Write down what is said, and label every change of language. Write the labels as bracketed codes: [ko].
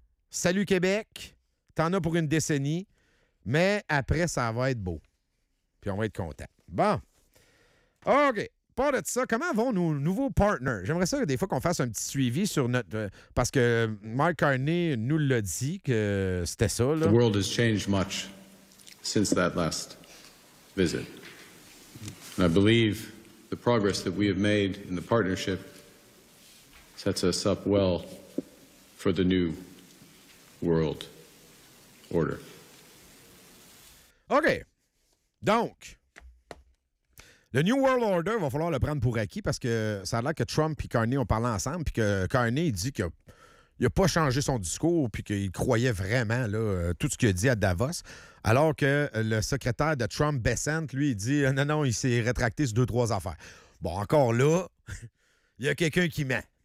[fr] Salut Québec, t'en as pour une décennie, mais après, ça va être beau. Puis on va être content. Bon. OK. Part de ça, comment vont nos nouveaux partners? J'aimerais ça que des fois qu'on fasse un petit suivi sur notre... parce que Mark Carney nous l'a dit que c'était ça, là. [en] The world has changed much since that last visit. And I believe the progress that we have made in the partnership sets us up well for the new world order. [fr] OK. Donc... le New World Order, va falloir le prendre pour acquis parce que ça a l'air que Trump et Carney ont parlé ensemble puis que Carney dit qu'il n'a pas changé son discours puis qu'il croyait vraiment là, tout ce qu'il a dit à Davos. Alors que le secrétaire de Trump, Bessent, lui, il dit « Non, non, il s'est rétracté sur 2-3 affaires. » Bon, encore là, il y a quelqu'un qui ment.